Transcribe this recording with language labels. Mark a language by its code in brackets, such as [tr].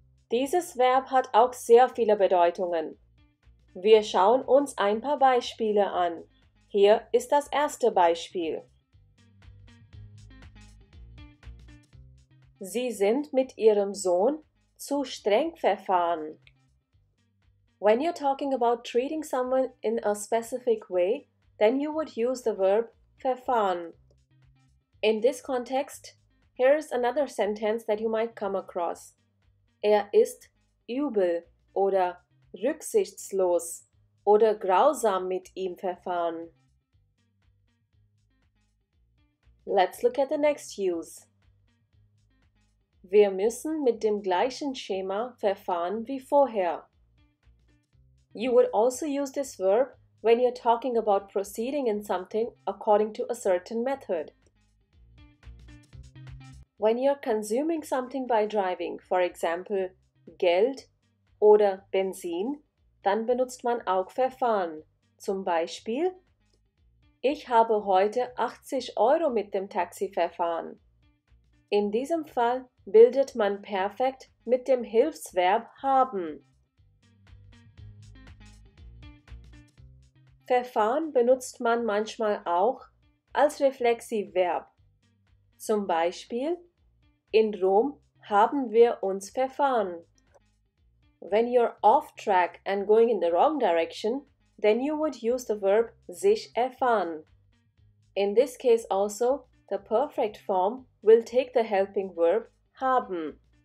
[de] Dieses Verb hat auch sehr viele Bedeutungen. Wir schauen uns ein paar Beispiele an. Hier ist das erste Beispiel. Sie sind mit ihrem Sohn zu streng verfahren. [en] When you're talking about treating someone in a specific way, then you would use the verb verfahren. In this context, here is another sentence that you might come across. [de] Ist übel oder rücksichtslos oder grausam mit ihm verfahren. [en] Let's look at the next use. [de] Wir müssen mit dem gleichen Schema verfahren wie vorher. [en] You would also use this verb when you're talking about proceeding in something according to a certain method. When you're consuming something by driving, for example, [de] Geld oder Benzin, dann benutzt man auch verfahren. Zum Beispiel, ich habe heute 80 Euro mit dem Taxi verfahren. In diesem Fall bildet man perfekt mit dem Hilfsverb haben. Verfahren benutzt man manchmal auch als Reflexivverb. Zum Beispiel, in Rom haben wir uns verfahren. [en] When you're off track and going in the wrong direction, then you would use the verb sich erfahren. In this case also, the perfect form will take the helping verb haben.